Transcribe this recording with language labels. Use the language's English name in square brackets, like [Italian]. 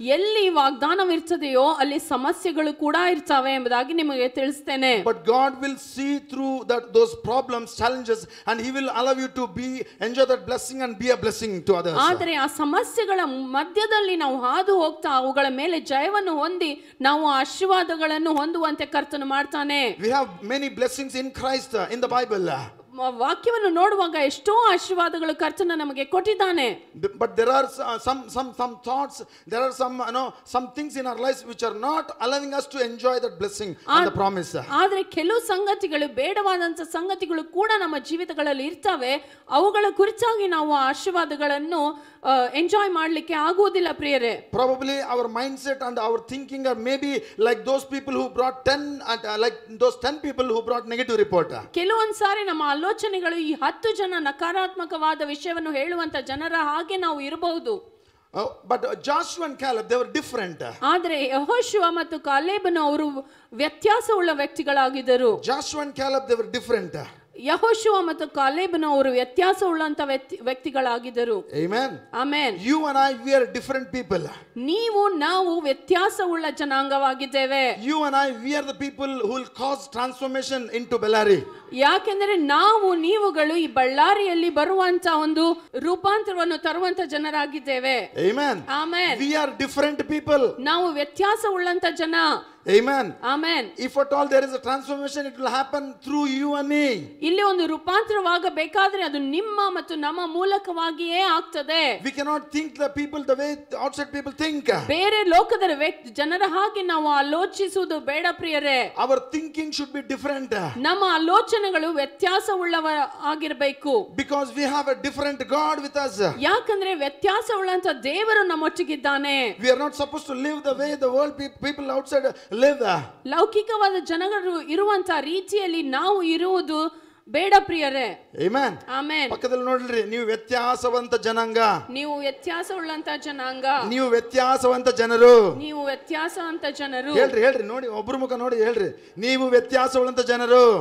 [Kannada] ಎಲ್ಲಿ ವಾಗ್ದಾನವಿರ್ತದೆಯೋ ಅಲ್ಲಿ ಸಮಸ್ಯೆಗಳು ಕೂಡ ಇರ್ತವೆ ಎಂಬುದಾಗಿ ನಿಮಗೆ ತಿಳಿಸ್ತೇನೆ. [English] But God will see through that those problems challenges and he will allow you to be enjoy that blessing and be a blessing to others. [Kannada] ಆದರೆ ಆ ಸಮಸ್ಯೆಗಳ ಮಧ್ಯದಲ್ಲಿ ನಾವು ಹಾದು ಹೋಗ್ತಾ ಅವುಗಳ ಮೇಲೆ ಜಯವನ್ನು ಹೊಂದಿ ನಾವು ಆಶೀರ್ವಾದಗಳನ್ನು ಹೊಂದುವಂತೆ ಕರ್ತನು ಮಾಡ್ತಾನೆ. [English] We have many blessings in Christ, in the Bible. [Kannada] ವಾಕ್ಯವನ್ನು ನೋಡುವಾಗ ಎಷ್ಟೋ ಆಶೀರ್ವಾದಗಳು ಕರ್ತನ ನಮಗೆ ಕೊಟ್ಟಿದ್ದಾನೆ. [English] But there are some thoughts, there are some no some things in our life which are not allowing us to enjoy that blessing and the promise. [Kannada] ಆದರೆ ಕೆಲವು ಸಂಗತಿಗಳು, ಬೇಡವಾದಂತಹ ಸಂಗತಿಗಳು ಕೂಡ ನಮ್ಮ ಜೀವಿತಗಳಲ್ಲಿ ಇರ್ತವೆ, ಅವುಗಳ ಕುರಿತಾಗಿ ನಾವು ಆಶೀರ್ವಾದಗಳನ್ನು ಎಂಜಾಯ್ ಮಾಡಲಿಕ್ಕೆ ಆಗುವುದಿಲ್ಲ ಪ್ರಿಯರೇ. [English] Probably our mind set and our thinking are maybe like those people who brought 10 like those 10 people who brought negative report. [Kannada] ಕೆಲವೊಂದು ಸಾರಿ ನಮ್ಮ ಆಲೋಚನೆಗಳು ಈ 10 ಜನ ನಕಾರಾತ್ಮಕವಾದ ವಿಷಯವನ್ನು ಹೇಳುವಂತ ಜನರ ಹಾಗೆ ನಾವು ಇರಬಹುದು. [English] But Joshua and Caleb, they were different. [Kannada] ಆದರೆ ಯೆಹೋಶುವ ಮತ್ತು ಕಾಲೇಬನ ಅವರು ವ್ಯತ್ಯಾಸವುಳ್ಳ ವ್ಯಕ್ತಿಗಳಾಗಿದ್ದರು. [English] Joshua and Caleb, they were different. [Kannada] ಯಹೋಶುವ ಮತ್ತು ಕಾಲೇಬನ ಅವರು ವ್ಯತ್ಯಾಸ ಉಳ್ಳಂತ ವ್ಯಕ್ತಿಗಳಾಗಿದ್ದರು. Amen, amen. [English] You and I, we are different people. [Kannada] ನೀವು ನಾವು ವ್ಯತ್ಯಾಸ ಉಳ್ಳ ಜನಾಂಗವಾಗಿದ್ದೇವೆ. [English] You and I, we are the people who will cause transformation in to Bellary. [Kannada] ಯಾಕೆಂದರೆ ನಾವು ನೀವುಗಳು ಈ ಬಳ್ಳಾರಿಯಲ್ಲಿ ಬರುವಂತ ಒಂದು ರೂಪಾಂತರವನ್ನು ತರುವಂತ ಜನರಾಗಿದ್ದೇವೆ. Amen, amen. [English] We are different people. [Kannada] ನಾವು ವ್ಯತ್ಯಾಸ ಉಳ್ಳಂತ ಜನ. [English] Amen. Amen. If at all there is a transformation, it will happen through you and me. [Kannada] ಇಲ್ಲಿ ಒಂದು ರೂಪಾಂತರವಾಗಬೇಕಾದ್ರೆ ಅದು ನಿಮ್ಮ ಮತ್ತು ನಮ್ಮ ಮೂಲಕವಾಗಿಯೇ ಆಗ್ತದೆ. [English] We cannot think the people the way the outside people think. [Kannada] ಬೇರೆ ಲೋಕದ ಜನರ ಹಾಗೆ ನಾವು ಆಲೋಚಿಸುವುದು ಬೇಡ ಪ್ರಿಯರೇ. [English] Our thinking should be different. [Kannada] ನಮ್ಮ ಆಲೋಚನೆಗಳು ವ್ಯತ್ಯಾಸ ಉಳ್ಳವ ಆಗಿರಬೇಕು. [English] Because we have a different God with us. [Kannada] ಯಾಕಂದ್ರೆ ವ್ಯತ್ಯಾಸ ಉಳ್ಳಂತ ದೇವರು ನಮ್ಮೊಟ್ಟಿಗಿದ್ದಾನೆ. [English] We are not supposed to live the way the world people outside live. [Kannada] ಲೌಕಿಕವಾದ ಜನಗಳು ಇರುವಂತ ರೀತಿಯಲ್ಲಿ ನಾವು ಇರುವುದು ಬೇಡ ಪ್ರಿಯರೇ. Amen, amen. ಪಕ್ಕದಲ್ಲಿ ನೋಡಿರಿ, ನೀವು ವ್ಯತ್ಯಾಸವಂತ ಜನಾಂಗ. ನೀವು ವ್ಯತ್ಯಾಸ ಉಳ್ಳಂತ ಜನಾಂಗ. ನೀವು ವ್ಯತ್ಯಾಸವಂತ ಜನರು. ನೀವು ವ್ಯತ್ಯಾಸವಂತ ಜನರು. ಹೇಳ್ರಿ, ಹೇಳ್ರಿ, ನೋಡಿ ಒಬ್ಬರು ಮುಖ ನೋಡಿ ಹೇಳ್ರಿ, ನೀವು ವ್ಯತ್ಯಾಸ ಉಳ್ಳಂತ ಜನರು.